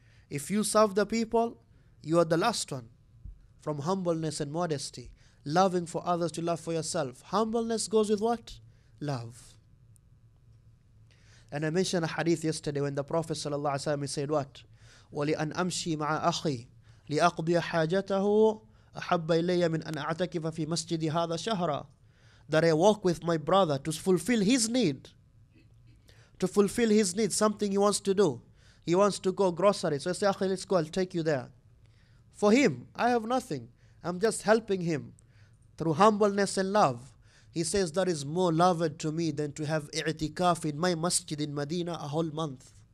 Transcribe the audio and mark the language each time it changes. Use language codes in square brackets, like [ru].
[en] If you serve the people, you are the last one. From humbleness and modesty, loving for others to love for yourself. Humbleness goes with what? Love. And I mentioned a hadith yesterday when the Prophet sallallahu alaihi wasallam said what? [ar] وَلِأَنْ أَمْشِي مَعَ أَخِي لِأَقْضِيَ حَاجَتَهُ أَحَبَّ إِلَيَّ مِنْ أَنْ أَعْتَكِفَ فِي مَسْجِدِ هَذَا شَهْرًا, that I walk with my brother to fulfill his need. [en] To fulfill his need, something he wants to do. He wants to go grocery. So I say, "Akhi, let's go, I'll take you there." For him, I have nothing. I'm just helping him through humbleness and love. He says, "That is more loved to me than to have i'tikaf in my masjid in Medina a whole month."